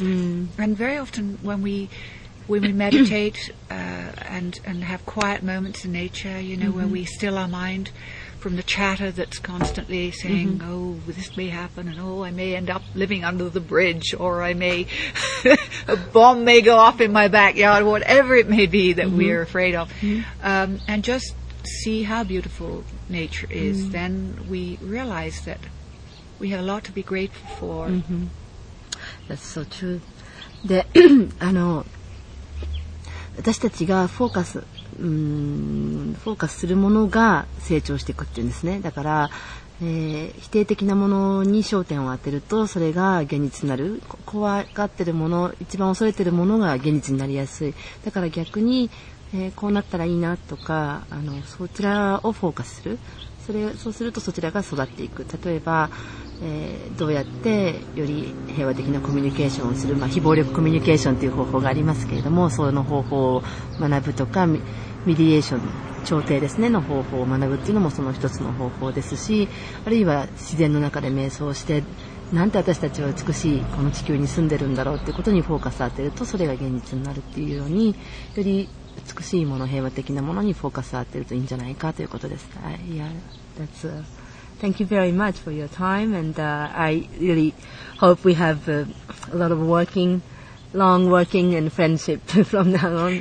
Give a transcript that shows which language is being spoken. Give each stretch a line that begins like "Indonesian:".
English: And very often when we meditate and have quiet moments in nature, you know, where we still our mind from the chatter that's constantly saying, oh, this may happen, and oh, I may end up living under the bridge, or I may, a bomb may go off in my backyard, whatever it may be that we're afraid of. And just see how beautiful nature is, then we realize that we have a lot to be grateful for. That's so true.
Japanese: で、あの、私たちがフォーカスするものが成長していくっていうんですね。だから、否定的なものに焦点を当てるとそれが現実になる。怖がってるもの、一番恐れてるものが現実になりやすい。だから逆に、こうなったらいいなとか、あの、そちらをフォーカスする。そうするとそちらが育っていく。例えば、どうやってより平和的なコミュニケーションをする、まあ、非暴力コミュニケーションという方法がありますけれども、その方法を学ぶとか、ミディエーション、調停ですね、の方法を学ぶというのもその一つの方法ですし、あるいは自然の中で瞑想して、なんて私たちは美しいこの地球に住んでるんだろうということにフォーカスを当てると、それが現実になるというように、より美しいもの、平和的なものにフォーカスを当てるといいんじゃないかということです。
English: Thank you very much for your time, and I really hope we have a lot of working, long working and friendship from now on.